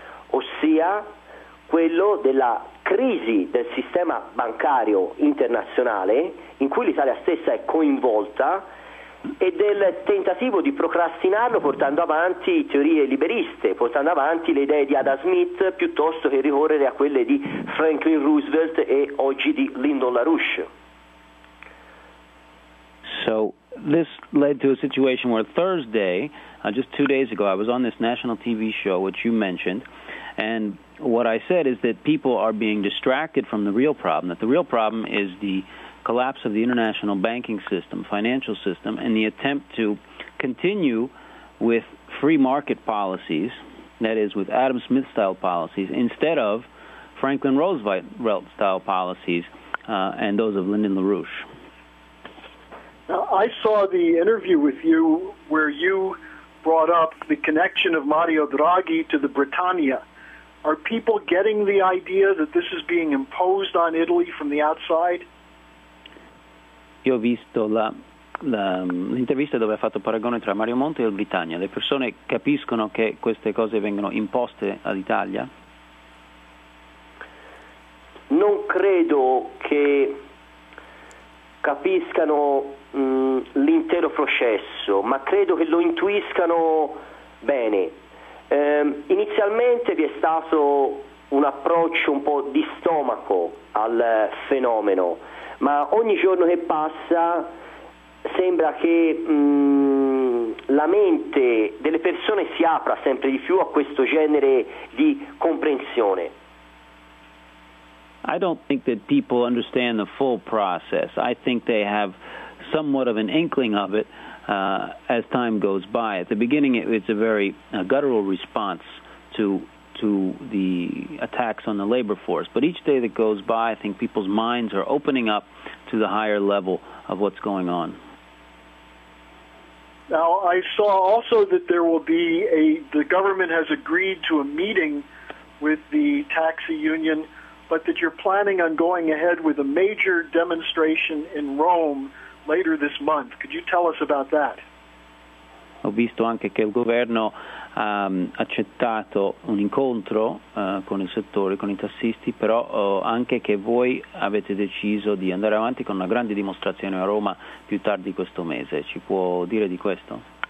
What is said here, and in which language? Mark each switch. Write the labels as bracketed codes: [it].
[it] ossia quello della crisi del sistema bancario internazionale in cui l'Italia stessa è coinvolta e del tentativo di procrastinarlo portando avanti teorie liberiste, portando avanti le idee di Adam Smith piuttosto che ricorrere a quelle di Franklin Roosevelt e oggi di Lyndon LaRouche. [en] So this led to a situation where Thursday, just 2 days ago, I was on this national TV show, which you mentioned, and what I said is that people are being distracted from the real problem, that the real problem is the collapse of the international banking system, financial system, and the attempt to continue with free market policies, that is, with Adam Smith-style policies, instead of Franklin Roosevelt-style policies and those of Lyndon LaRouche. Now, I saw the interview with you where you brought up the connection of Mario Draghi to the Britannia. Are people getting the idea that this is being imposed on Italy from the outside? [it] Io ho visto l'intervista dove ha fatto paragone tra Mario Monti e il Britannia. Le persone capiscono che queste cose vengono imposte all'Italia? non credo che capiscano l'intero processo, ma credo che lo intuiscano bene. Inizialmente vi è stato un approccio un po' di stomaco al fenomeno, ma ogni giorno che passa sembra che la mente delle persone si apra sempre di più a questo genere di comprensione. [en] I don't think that people understand the full process. I think they have somewhat of an inkling of it as time goes by. At the beginning, it's a very guttural response to the attacks on the labor force. But each day that goes by, I think people's minds are opening up to the higher level of what's going on. Now, I saw also that there will be the government has agreed to a meeting with the taxi union, but that you're planning on going ahead with a major demonstration in Rome later this month. Could you tell us about that? [it] Ho visto anche che il governo ha accettato un incontro con il settore, con i tassisti, però anche che voi avete deciso di andare avanti con una grande dimostrazione a Roma più tardi questo mese. Ci può dire di questo?